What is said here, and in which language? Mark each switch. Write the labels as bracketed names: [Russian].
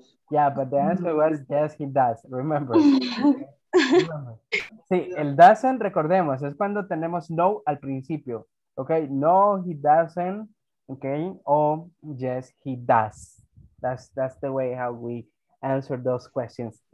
[English] Yeah, but the answer was yes, he does, remember. [Spanish] Sí, el doesn't, recordemos, es cuando tenemos no al principio. [English] Ok, no, he doesn't, ok, o yes, he does. That's the way how we answer those questions.